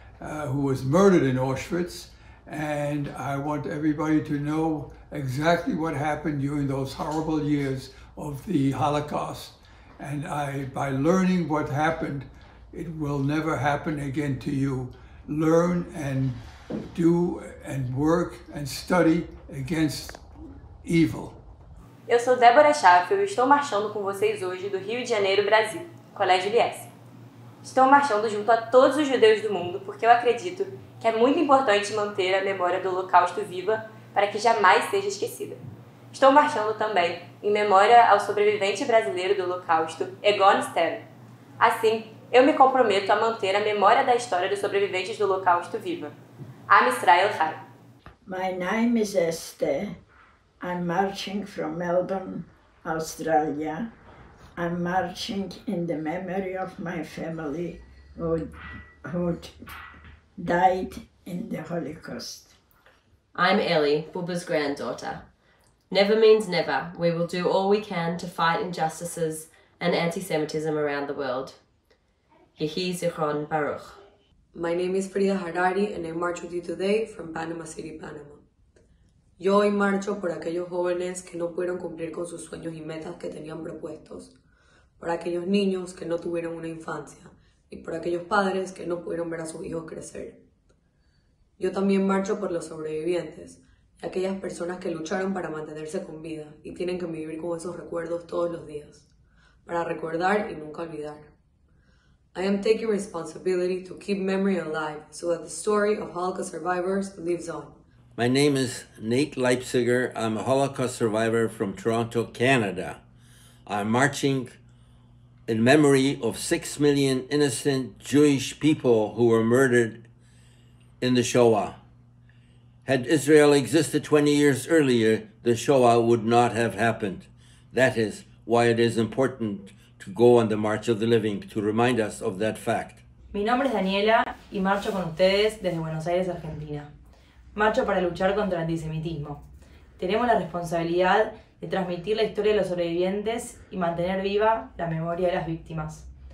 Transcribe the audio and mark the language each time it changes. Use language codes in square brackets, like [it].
[en] who was murdered in Auschwitz. And I want everybody to know exactly what happened during those horrible years of the Holocaust. And I, by learning what happened, it will never happen again to you. Learn and do and work and study against evil. [pt] Eu sou Débora Schaffel e estou marchando com vocês hoje do Rio de Janeiro, Brasil, Colégio Lies. Estou marchando junto a todos os judeus do mundo porque eu acredito que é muito importante manter a memória do Holocausto viva para que jamais seja esquecida. Estou marchando também em memória ao sobrevivente brasileiro do Holocausto, Egon Stern. Assim, eu me comprometo a manter a memória da história dos sobreviventes do Holocausto viva. [he] Am Israel Chai. [en] My name is Esther. I'm marching from Melbourne, Australia. I'm marching in the memory of my family who died in the Holocaust. I'm Ellie, Bubba's granddaughter. Never means never, we will do all we can to fight injustices and anti-Semitism around the world. [he] Yehi Zichron Baruch. [en] My name is Frida Harari and I march with you today from Panama City, Panama. [es] Yo hoy marcho por aquellos jóvenes que no pudieron cumplir con sus sueños y metas que tenían propuestos, por aquellos niños que no tuvieron una infancia y por aquellos padres que no pudieron ver a sus hijos crecer. Yo también marcho por los sobrevivientes, aquellas personas que lucharon para mantenerse con vida y tienen que vivir con esos recuerdos todos los días, para recordar y nunca olvidar. [en] I am taking responsibility to keep memory alive so that the story of Holocaust survivors lives on. My name is Nate Leipziger. I'm a Holocaust survivor from Toronto, Canada. I'm marching in memory of 6 million innocent Jewish people who were murdered in the Shoah. Had Israel existed 20 years earlier, the Shoah would not have happened. That is why it is important to go on the March of the Living, to remind us of that fact. [es] Mi nombre es Daniela y marcho con ustedes desde Buenos Aires, Argentina. Marcho para luchar contra el antisemitismo. Tenemos la responsabilidad de transmitir la historia de los sobrevivientes y mantener viva la memoria de las víctimas.